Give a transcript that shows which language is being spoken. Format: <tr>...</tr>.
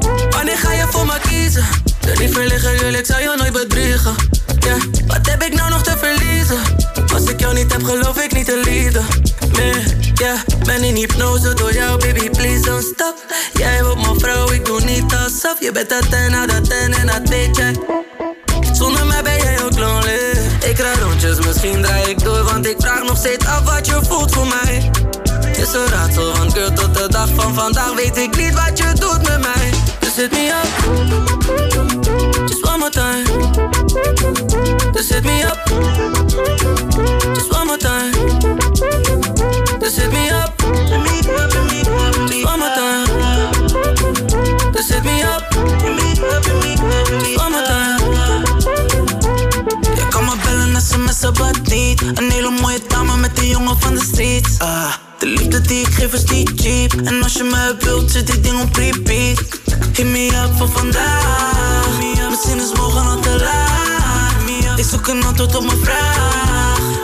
<nl>Wanneer ga je voor me kiezen? De liefde liggen jullie, ik zou jou nooit bedriegen. Yeah. Wat heb ik nou nog te verliezen? Als ik jou niet heb, geloof ik niet de liefde. Meer, yeah. Ben in hypnose door jou,</nl> <en>baby, please don't stop.</en> <nl>Jij wordt mijn vrouw, ik doe niet alsof. Je bent dat en dat en dat weet jij. Zonder mij ben jij ook lonely. Ik rijd rondjes, misschien draai ik door. Want ik vraag nog steeds af wat je voelt voor mij. Is een raadsel, want girl, tot de dag van vandaag weet ik niet wat je doet met mij.</nl> <en>Dus hit me up, just one more time. Dus hit me up, just one more time. Dus hit me up, just one more time. Dus hit me up, just one more time.</en> <nl>Je kan me bellen, sms, but niet. Een hele mooie dame met een jongen van de streets. De liefde die ik geef is niet cheap. En als je me wilt, zit die ding op repeat.</nl> <en>Hit me up</en> <nl>voor vandaag. Misschien is morgen al te laat. Ik zoek een antwoord op mijn vraag.</nl>